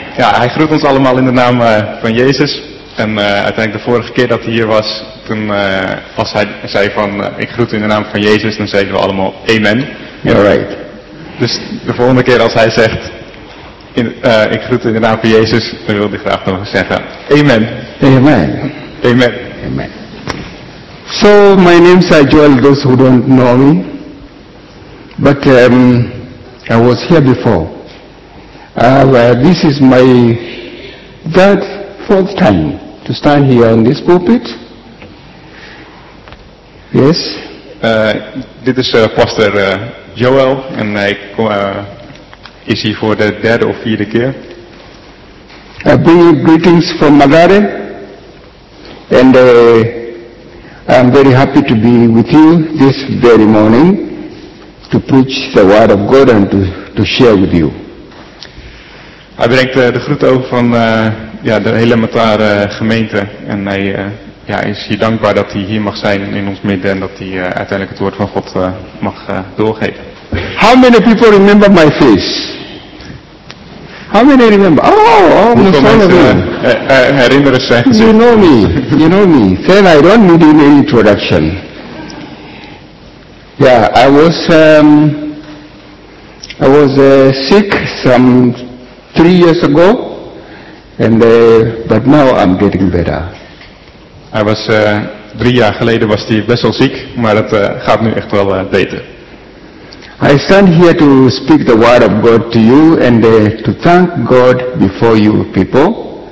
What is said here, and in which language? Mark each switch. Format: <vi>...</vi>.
<nl>Ja, hij groet ons allemaal in de naam van Jezus. En uiteindelijk de vorige keer dat hij hier was, toen als hij zei van ik groet in de naam van Jezus, dan zeiden we allemaal amen.</nl> <en>All right.</en> <nl>Dus de volgende keer als hij zegt ik groet in de naam van Jezus, dan wil hij graag nog zeggen amen. Amen. Amen. Amen.</nl> <en>So, my name is Joel, those who don't know me. But I was here before. This is my third, fourth time to stand here on this pulpit. Yes.</en> <nl>Dit is Pastor Joel, en ik is hier voor de derde of vierde keer.</nl> <en>I bring you greetings from Magare, and I'm very happy to be with you this very morning to preach the word of God and to share with you.</en> <nl>Hij brengt de groet over van de hele Matar gemeente. En hij is hier dankbaar dat hij hier mag zijn in ons midden en dat hij uiteindelijk het woord van God mag doorgeven.</nl> <en>How many people remember my face? How many remember? Oh, almost all of</en> <nl>them. Herinneren zijn</nl> <en>ze. You know me. You know me. Then I don't need any introduction. Yeah, I was sick some 3 years ago, and but now I'm getting better.</en> <nl>Hij was 3 jaar geleden was hij best wel ziek, maar dat gaat nu echt wel beter.</nl> <en>I stand here to speak the word of God to you and to thank God before you people.</en>